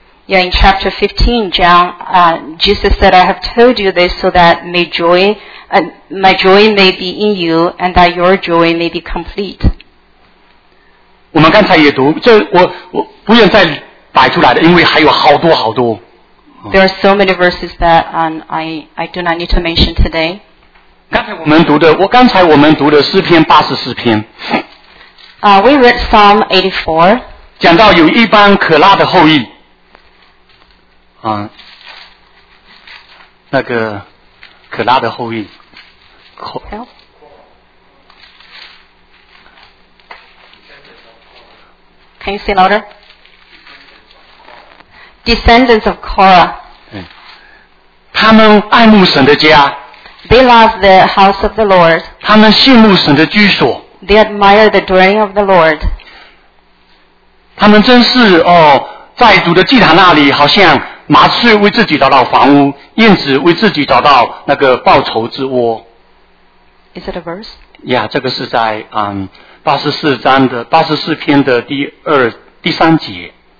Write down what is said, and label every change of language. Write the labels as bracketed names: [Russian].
[English] Yeah, in chapter 15, John, Jesus said, "I have told you this so that my joy may be in you, and that your joy may be complete." [Chinese] 我们刚才也读，我不愿再摆出来的，因为还有好多好多。 [English] There are so many verses that I do not need to mention today. [Chinese] 刚才我们读的诗篇84篇。 [English] We read Psalm 84. [Chinese] 讲到有一班可拉的后裔。那个可拉的后裔。 [English] Can you say louder? Descendants of Korah. [Chinese] 他们爱慕神的家。 [English] They love the house of the Lord. [Chinese] 他们羡慕神的居所。 [English] They admire the dwelling of the Lord. [Chinese] 他们真是在主的祭坛那里，好像麻雀为自己找到房屋，燕子为自己找到那个报仇之窝。 [English] Is it a verse? [Chinese] Yeah, 这个是在84篇的第三节。